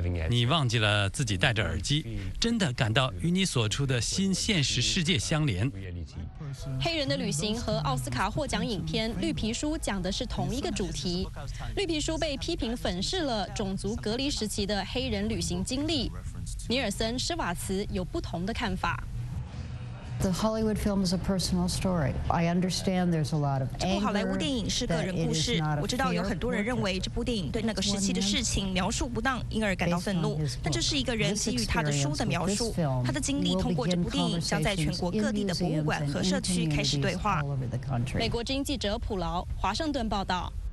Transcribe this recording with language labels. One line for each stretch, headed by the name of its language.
Chinese: 你忘记了自己戴着耳机，真的感到与你所处的新现实世界相连。黑人的旅行和奥斯卡获奖影片《绿皮书》讲的是同一个主题。 《绿皮书》被批评粉饰了种族隔离时期的黑人旅行经历。尼尔森·施瓦茨有不同的看法。
English: The Hollywood film is a personal story. I understand there's a lot of anger.
Chinese: 这部好莱坞电影是个人故事。我知道有很多人认为这部电影对那个时期的事情描述不当，因而感到愤怒。但这是一个人基于他的书的描述。他的经历通过这部电影将在全国各地的博物馆和社区开始对话。美国之音记者普劳，华盛顿报道。